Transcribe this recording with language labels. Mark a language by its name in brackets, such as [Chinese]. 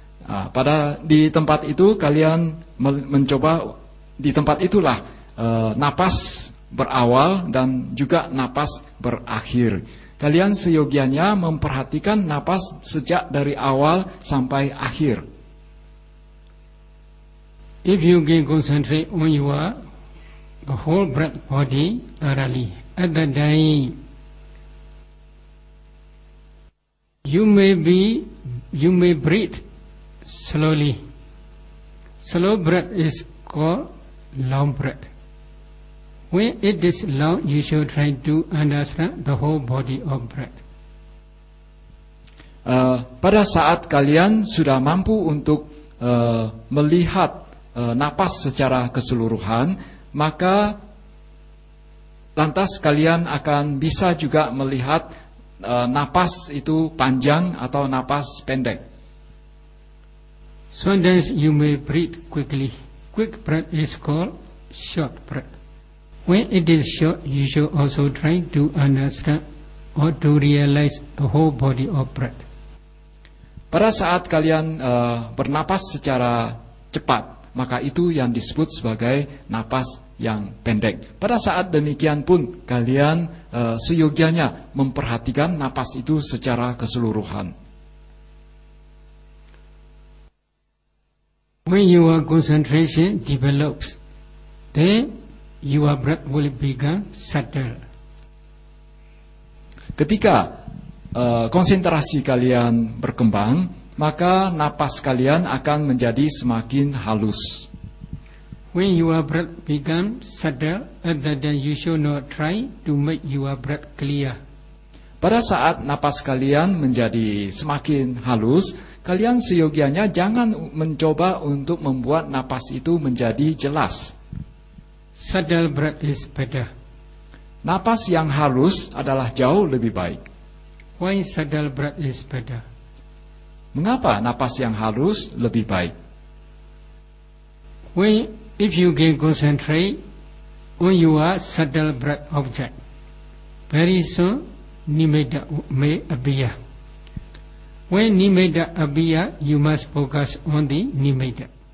[Indonesian] Pada di tempat itu kalian mencoba, di tempat itulah napas berawal dan juga napas berakhir. Kalian seyogianya memperhatikan napas sejak dari awal sampai akhir. [English] If you can concentrate on the whole breath body thoroughly at the dying, you may breathe slowly. Slow breath is called long breath. When it is long, you should try to understand the whole body of breath. [Indonesian] Pada saat kalian sudah mampu untuk melihat napas secara keseluruhan, maka lantas kalian akan bisa juga melihat napas itu panjang atau napas pendek. [English] Sometimes you may breathe quickly. Quick breath is called short breath. When it is short, you should also try to understand or to realize the whole body of breath. [Indonesian] Pada saat kalian bernapas secara cepat, maka itu yang disebut sebagai napas yang pendek. Pada saat demikian pun kalian seyogianya memperhatikan napas itu secara keseluruhan. [English] When your concentration develops, then your breath will become subtle. [Indonesian] Ketika konsentrasi kalian berkembang, maka napas kalian akan menjadi semakin halus. [English] When your breath becomes subtle, then you should not try to make your breath clear. [Indonesian] Pada saat napas kalian menjadi semakin halus, kalian seyogianya jangan mencoba untuk membuat napas itu menjadi jelas. [English] Subtle breath is better. [Indonesian] Napas yang halus adalah jauh lebih baik. [English] Why subtle breath is better? [Indonesian] Mengapa napas yang halus lebih baik? [English] When if you can concentrate on your subtle breath object, very soon nimitta may appear. When nimitta appear, you must focus on the nimitta.